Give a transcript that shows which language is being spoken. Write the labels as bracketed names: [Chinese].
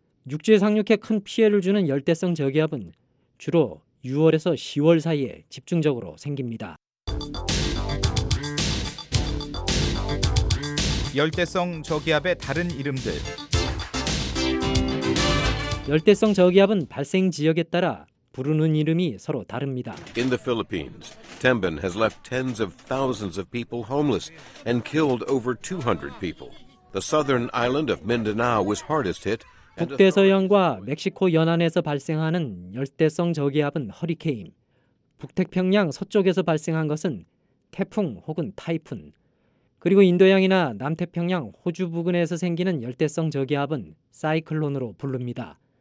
[Korean] 육지에 상륙해 큰 피해를 주는 열대성 저기압은 주로 6월에서 10월 사이에 집중적으로 생깁니다. 열대성 저기압의 다른 이름들. 열대성 저기압은 발생 지역에 따라 부르는 이름이 서로 다릅니다. [English] In the Philippines, Tembin has left tens of thousands of people homeless and killed over 200 people. The southern island of Mindanao was hardest hit. [Korean] 북대서양과 멕시코 연안에서 발생하는 열대성 저기압은 허리케인, 북태평양 서쪽에서 발생한 것은 태풍 혹은 타이푼, 그리고 인도양이나 남태평양 호주 부근에서 생기는 열대성 저기압은 사이클론으로 부릅니다.